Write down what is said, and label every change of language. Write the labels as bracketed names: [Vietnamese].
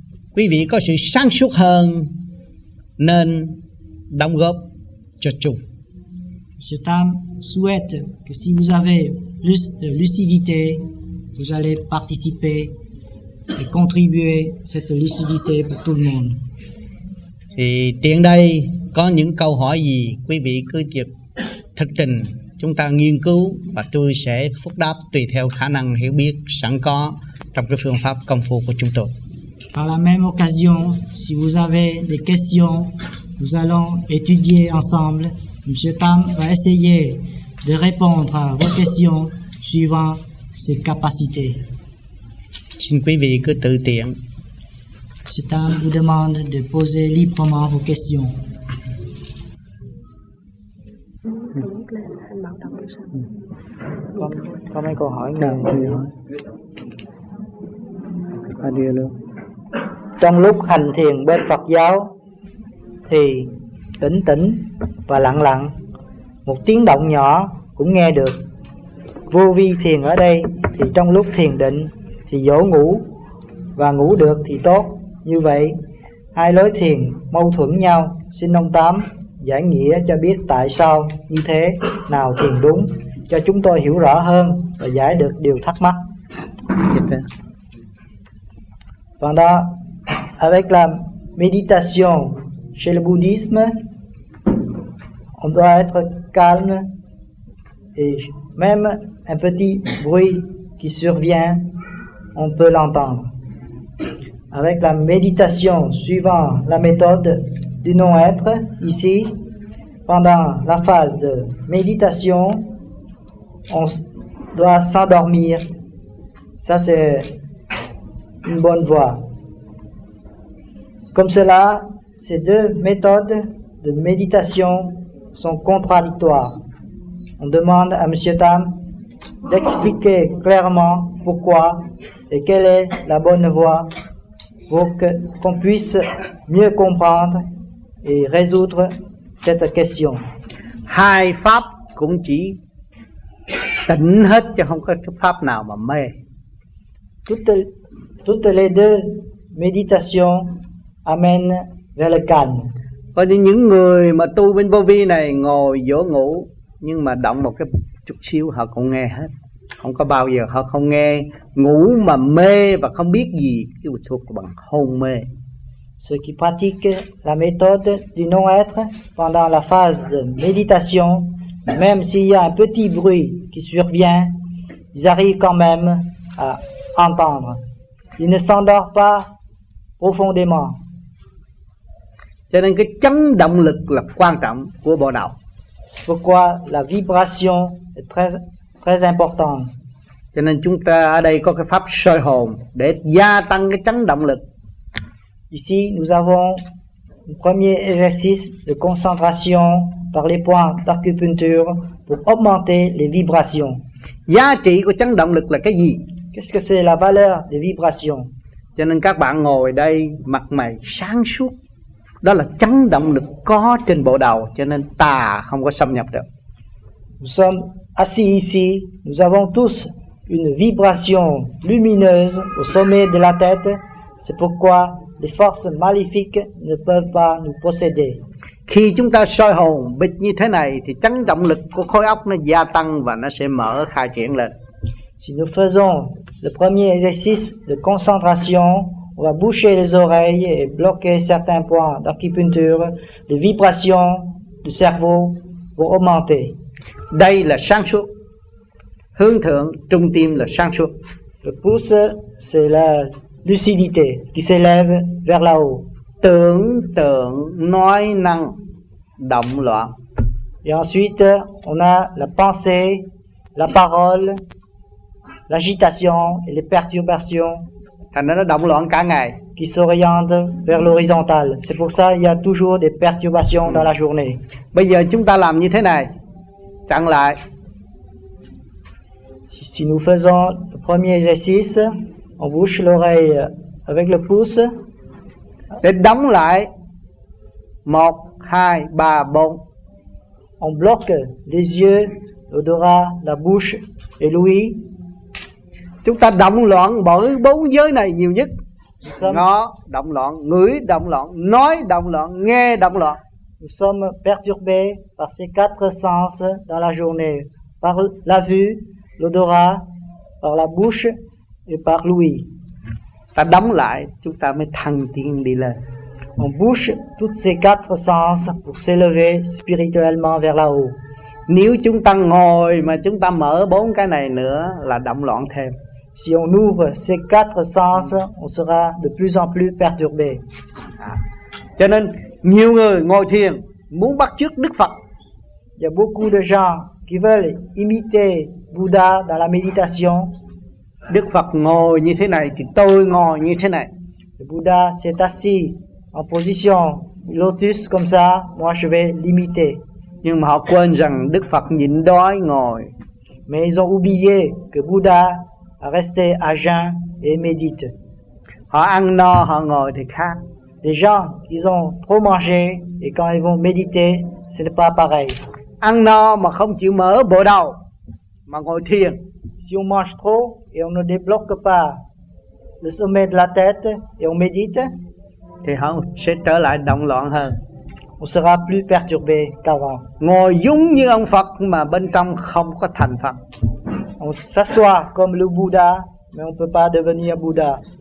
[Vietnamese] quý vị có sự sáng suốt hơn nên đóng góp cho chung. [French] Cet homme souhaite que si vous avez plus de lucidité, vous allez participer et contribuer cette lucidité pour tout le monde. [Vietnamese] Thì tiện đây có những câu hỏi gì quý vị cứ việc thực tình chúng ta nghiên cứu và tôi sẽ phúc đáp tùy theo khả năng hiểu biết sẵn có trong cái phương pháp công phu của chúng tôi. [French] Par la même occasion, si vous avez des questions, nous allons étudier ensemble. Monsieur Tam va essayer de répondre à vos questions suivant ses capacités. [Vietnamese] Xin quý vị cứ tự tiện. [French] Monsieur Tam vous demande de poser librement vos questions. [Vietnamese] Có mấy câu hỏi nào thì hỏi. Điều nữa. Trong lúc hành thiền bên Phật giáo thì tỉnh tỉnh và lặng lặng, một tiếng động nhỏ cũng nghe được. Vô vi thiền ở đây thì trong lúc thiền định thì dỗ ngủ, và ngủ được thì tốt. Như vậy hai lối thiền mâu thuẫn nhau, xin ông Tám giải nghĩa cho biết tại sao như thế, nào thiền đúng, cho chúng tôi hiểu rõ hơn và giải được điều thắc mắc. [French] Pendant, avec la méditation chez le bouddhisme, on doit être calme et même un petit bruit qui survient, on peut l'entendre. Avec la méditation suivant la méthode du non-être, ici, pendant la phase de méditation, on doit s'endormir. Ça, c'est une bonne voie. Comme cela, ces deux méthodes de méditation sont contradictoires. On demande à M. Tam d'expliquer clairement pourquoi et quelle est la bonne voie pour qu'on puisse mieux comprendre et résoudre cette question. [Vietnamese] Hai pháp cũng chỉ tỉnh hết chứ không có pháp nào mà mê. [French] Toutes les deux méditations amène vers le calme. [Vietnamese] Có những người mà tu bên vô vi này ngồi dỗ ngủ nhưng mà động một cái chút xíu họ cũng nghe hết. Không có bao giờ họ không nghe, ngủ mà mê và không biết gì thì thuộc bằng hôn mê. [French] Ceux qui pratiquent la méthode du non-être pendant la phase de méditation, même s'il y a un petit bruit qui survient, ils arrivent quand même à entendre. Ils ne s'endorment pas profondément. [Vietnamese] Cho nên cái chấn động lực là quan trọng của bộ đạo. [French] C'est pourquoi la vibration est très très importante. [Vietnamese] Cho nên chúng ta ở đây có cái pháp soi hồn để gia tăng cái chấn động lực. [French] Ici nous avons un premier exercice de concentration par les points d'acupuncture pour augmenter les vibrations. [Vietnamese] Giá trị của chấn động lực là cái gì? [French] Qu'est-ce que c'est la valeur des vibrations? [Vietnamese] Cho nên các bạn ngồi đây mặt mày sáng suốt, đó là chấn động lực có trên bộ đầu, cho nên tà không có xâm nhập được. [French] Nous sommes assis ici, nous avons tous une vibration lumineuse au sommet de la tête, c'est pourquoi les forces maléfiques ne peuvent pas nous posséder. [Vietnamese] Khi chúng ta soi hồn bịt như thế này thì chấn động lực của khối óc nó gia tăng và nó sẽ mở khai triển lên. [French] Si nous faisons le premier exercice de concentration, on va boucher les oreilles et bloquer certains points d'acupuncture, les vibrations du cerveau vont augmenter. [Vietnamese] Đây là sáng suốt. Hướng thượng, trung tim là sáng suốt. [French] Le pouce, c'est la lucidité qui s'élève vers là-haut. [Vietnamese] Tưởng tượng, nói năng, động loạn. [French] Et ensuite, on a la pensée, la parole, l'agitation et les perturbations. [Vietnamese] Thành ra nó động loạn cả ngày. [French] Qui s'oriente vers l'horizontale. C'est pour ça il y a toujours des perturbations dans la journée. [Vietnamese] Bây giờ chúng ta làm như thế này. Chặn lại. [French] Si nous faisons le premier exercice, on bouche l'oreille avec le pouce. [Vietnamese] Để đóng lại. 1, 2, 3, 4. [French] On bloque les yeux, l'odorat, la bouche et l'ouïe. [Vietnamese] Chúng ta động loạn bởi bốn giới này nhiều nhất. Ngó động loạn, ngửi động loạn, nói động loạn, nghe động loạn. [French] Nous sommes perturbés par ces quatre sens dans la journée, par la vue, l'odorat, par la bouche et par l'ouïe. [Vietnamese] Ta đóng lại, chúng ta mới thăng tiến đi lên. [French] On bouche tous ces quatre sens pour s'élever spirituellement vers là haut. [Vietnamese] Nếu chúng ta ngồi mà chúng ta mở bốn cái này nữa là động loạn thêm. [French] Si on ouvre ces quatre sens, on sera de plus en plus perturbé. [Vietnamese] Cho nên nhiều người ngồi thiền muốn bắt chước Đức Phật. [French] Il y a beaucoup de gens qui veulent imiter Bouddha dans la méditation. [Vietnamese] Đức Phật ngồi như thế này thì tôi ngồi như thế này. [French] Le Bouddha s'est assis en position lotus comme ça, moi je vais l'imiter. [Vietnamese] Nhưng mà họ quên rằng Đức Phật nhịn đói ngồi. [French] Mais ils ont oublié que Bouddha a resté à jeun et médite. [Vietnamese] Họ ăn no, họ ngồi thì khác. [French] Les gens, ils ont trop mangé et quand ils vont méditer, ce n'est pas pareil. [Vietnamese] Ăn no mà không chịu mở bộ đầu mà ngồi thiền. [French] Si on mange trop et on ne débloque pas le sommet de la tête et on médite, [Vietnamese] thì họ sẽ trở lại động loạn hơn. [French] On sera plus perturbé qu'avant. [Vietnamese] Ngồi giống như ông Phật mà bên trong không có thành Phật. [French] On s'assoit comme le Bouddha, mais on ne peut pas devenir Bouddha.